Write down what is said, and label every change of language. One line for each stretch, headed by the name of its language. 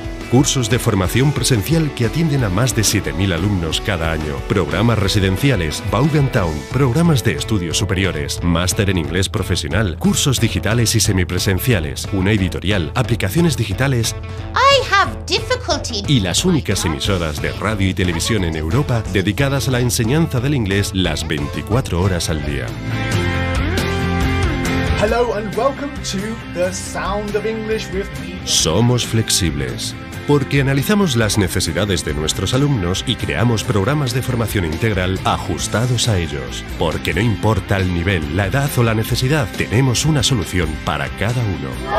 Spanish: cursos de formación presencial que atienden a más de 7.000 alumnos cada año, programas residenciales, Vaughan Town, programas de estudios superiores, máster en inglés profesional, cursos digitales y semipresenciales, una editorial, aplicaciones digitales
English: I have difficulty...
Spanish: y las únicas emisoras de radio y televisión en Europa dedicadas a la enseñanza del inglés las 24 horas al día.
English: Hello and welcome to the Sound of English with me.
Spanish: Somos flexibles porque analizamos las necesidades de nuestros alumnos y creamos programas de formación integral ajustados a ellos. Porque no importa el nivel, la edad o la necesidad, tenemos una solución para cada uno.